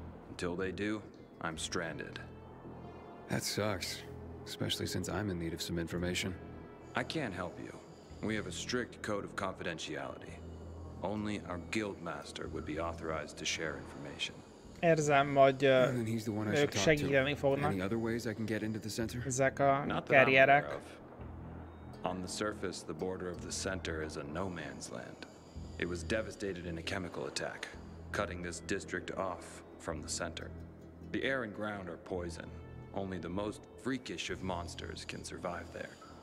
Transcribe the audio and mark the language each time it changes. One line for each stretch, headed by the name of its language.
English: Until they do, I'm stranded. That sucks, especially since I'm in need of some information. I can't help you. We have a strict code of confidentiality. Only our guild master would be authorized to share information.
Hungarian: Érzem, hogy ők segíteni fognak.
English: Any other ways I can get into the center?
Hungarian: Ezek a karrierek.
English: On the surface, the border of the center is a no man's land. It was devastated in a chemical attack, cutting this district off from the center. The air and ground are poison. Only the most freakish of monsters can survive there.